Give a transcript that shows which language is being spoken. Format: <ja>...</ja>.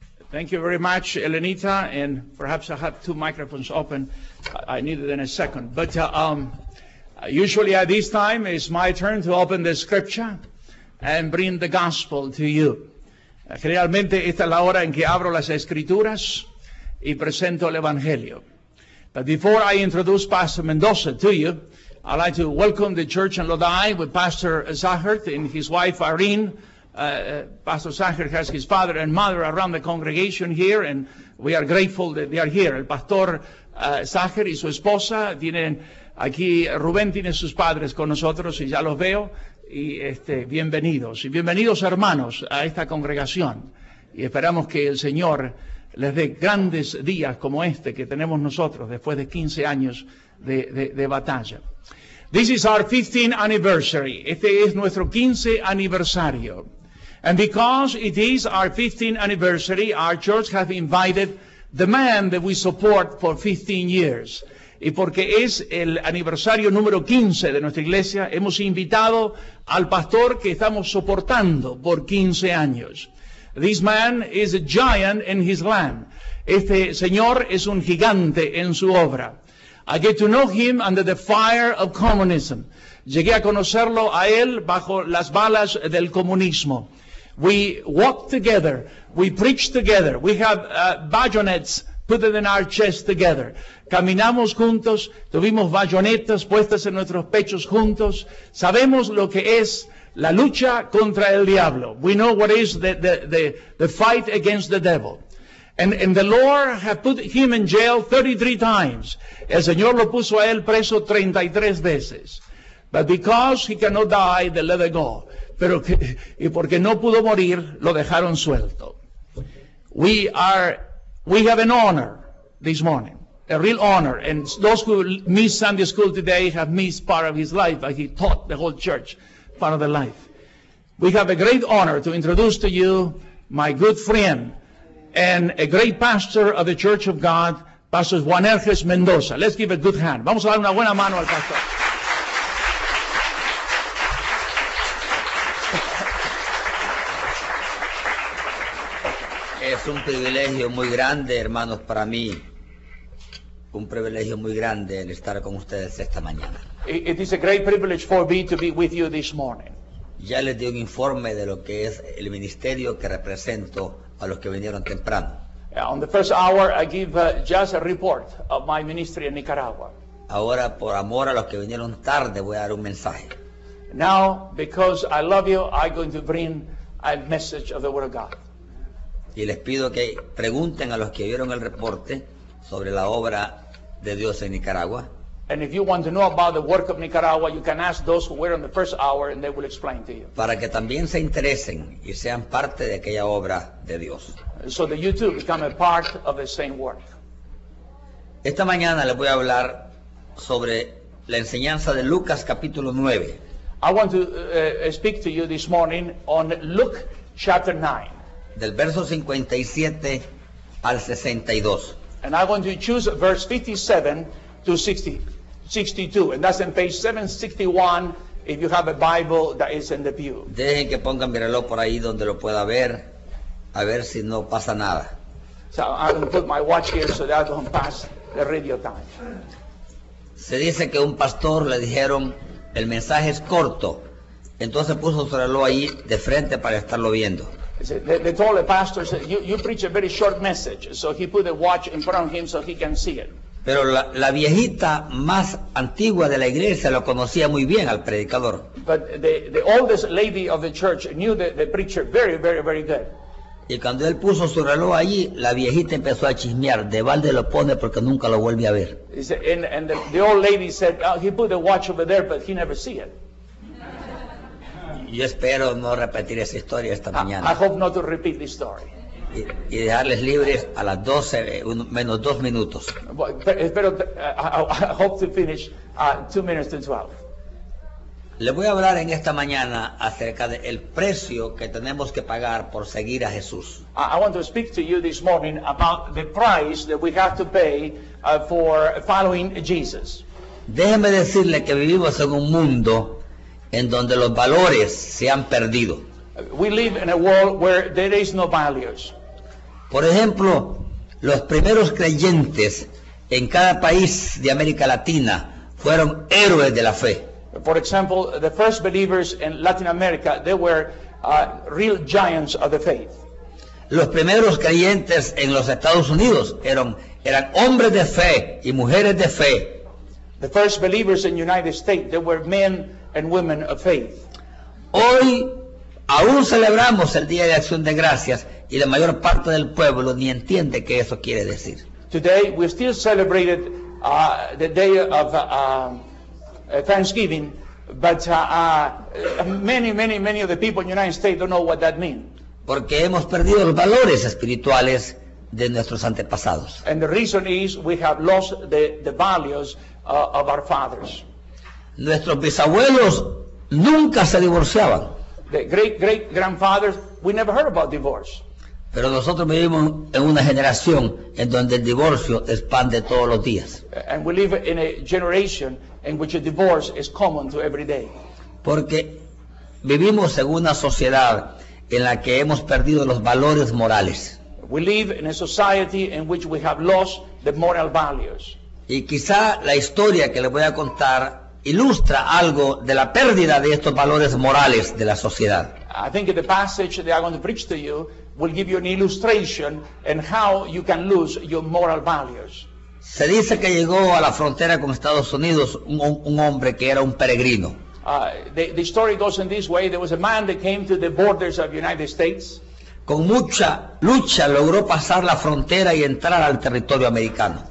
<en>Thank you very much, Elenita, and perhaps I have two microphones open. I need it in a second. But usually at this time, it's my turn to open the scripture and bring the gospel to you.</en> <es>Generalmente, esta es la hora en que abro las escrituras y presento el evangelio.</es> <en>But before I introduce Pastor Mendoza to you, I'd like to welcome the church in Lodi with Pastor Zahert and his wife Irene. Pastor Sanger has his father and mother around the congregation here, and we are grateful that they are here.</en> <es>El Pastor Sanger y su esposa tienen aquí, Rubén tiene sus padres con nosotros, y ya los veo, y bienvenidos. Y bienvenidos, hermanos, a esta congregación. Y esperamos que el Señor les dé grandes días como este que tenemos nosotros después de 15 años de batalla.</es> <en>This is our 15th anniversary.</en> <es>Este es nuestro 15 aniversario.</es> <en>And because it is our 15th anniversary, our church has invited the man that we support for 15 years.</en> <es>Y porque es el aniversario número 15 de nuestra iglesia, hemos invitado al pastor que estamos soportando por 15 años.</es> <en>This man is a giant in his land.</en> <es>Este señor es un gigante en su obra.</es> <en>I get to know him under the fire of communism.</en> <es>Llegué a conocerlo a él bajo las balas del comunismo.</es> <en>We walk together, we preach together, we have bayonets put in our chest together.</en> <es>Caminamos juntos, tuvimos bayonetas puestas en nuestros pechos juntos. Sabemos lo que es la lucha contra el diablo.</es> <en>We know what is the fight against the devil. And the Lord have put him in jail 33 times.</en> <es>El Señor lo puso a él preso 33 veces.</es> <en>But because he cannot die, they let him go.</en> <es>Pero que, y porque no pudo morir, lo dejaron suelto.</es> <en>We have an honor this morning, a real honor. And those who miss Sunday school today have missed part of his life, but he taught the whole church part of the life. We have a great honor to introduce to you my good friend and a great pastor of the Church of God, Pastor Juan Herges Mendoza. Let's give a good hand.</en> <es>Vamos a dar una buena mano al pastor. Es un privilegio muy grande, hermanos, para mí. Un privilegio muy grande el estar con ustedes esta mañana.</es> <en>It is a great privilege for me to be with you this morning.</en> <es>Ya les di un informe de lo que es el ministerio que represento a los que vinieron temprano.</es> <en>On the first hour, I give just a report of my ministry in Nicaragua.</en> <es>Ahora, por amor a los que vinieron tarde, voy a dar un mensaje.</es> <en>Now, because I love you, I'm going to bring a message of the Word of God.</en> <es>Y les pido que pregunten a los que vieron el reporte sobre la obra de Dios en Nicaragua.</es> <en>And if you want to know about the work of Nicaragua, you can ask those who were on the first hour and they will explain to you.</en> <es>Para que también se interesen y sean parte de aquella obra de Dios.</es> <en>So that you too become a part of the same work.</en> <es>Esta mañana les voy a hablar sobre la enseñanza de Lucas capítulo 9.</es> <en>I want to speak to you this morning on Luke chapter 9.</en> <es>Del verso 57 al 62.</es> <en>And I'm going to choose verse 57 to 62. And that's on page 761 if you have a Bible that is in the pew.</en> <es>Dejen que pongan mi reloj por ahí donde lo pueda ver, a ver si no pasa nada.</es> <en>So I'm going to put my watch here so that I don't pass the radio time.</en> <es>Se dice que un pastor le dijeron, el mensaje es corto. Entonces puso su reloj ahí de frente para estarlo viendo.</es> <en>They told the pastor, you preach a very short message. So he put a watch in front of him so he can see it.</en> <es>Pero la viejita más antigua de la iglesia lo conocía muy bien al predicador.</es> <en>But the oldest lady of the church knew the preacher very, very, very good.</en> <es>Y cuando él puso su reloj allí, la viejita empezó a chismear. De balde lo pone porque nunca lo vuelve a ver.</es> <en>And the old lady said, he put the watch over there, but he never see it.</en> <es>Yo espero no repetir esa historia esta mañana.</es> <en>I hope not to repeat this story.</en> <es>Y dejarles libres a las 12 menos 2 minutos.</es> <en>I hope to finish 2 minutes to 12.</en> <es>Le voy a hablar en esta mañana acerca del precio que tenemos que pagar por seguir a Jesús.</es> <en>I want to speak to you this morning about the price that we have to pay for following Jesus.</en> <es>Déjeme decirle que vivimos en un mundo en donde los valores se han perdido.</es> <en>We live in a world where there is no values.</en> <es>Por ejemplo, los primeros creyentes en cada país de América Latina fueron héroes de la fe.</es> <en>For example, the first believers in Latin America, they were real giants of the faith.</en> <es>Los primeros creyentes en los Estados Unidos eran hombres de fe y mujeres de fe.</es> <en>The first believers in the United States, they were men and women of faith.</en> <es>Hoy aún celebramos el Día de Acción de Gracias y la mayor parte del pueblo ni entiende qué eso quiere decir.</es> <en>Today we still celebrate the day of Thanksgiving, but many of the people in the United States don't know what that means.</en> <es>Porque hemos perdido los valores espirituales de nuestros antepasados.</es> <en>And the reason is we have lost the values of our fathers.</en> <es>Nuestros bisabuelos nunca se divorciaban.</es> <en>The great grandfathers we never heard about divorce.</en> <es>Pero nosotros vivimos en una generación en donde el divorcio expande todos los días.</es> <en>And we live in a generation in which a divorce is common to every day.</en> <es>Porque vivimos en una sociedad en la que hemos perdido los valores morales.</es> <en>We live in a society in which we have lost the moral values.</en> <es>Y quizá la historia que les voy a contar ilustra algo de la pérdida de estos valores morales de la sociedad.</es> <en>I think the passage that I'm going to preach to you will give you an illustration in how you can lose your moral values.</en> <es>Se dice que llegó a la frontera con Estados Unidos un hombre que era un peregrino.</es> <en>The story goes in this way. There was a man that came to the borders of the United States.</en> <es>Con mucha lucha logró pasar la frontera y entrar al territorio americano.</es>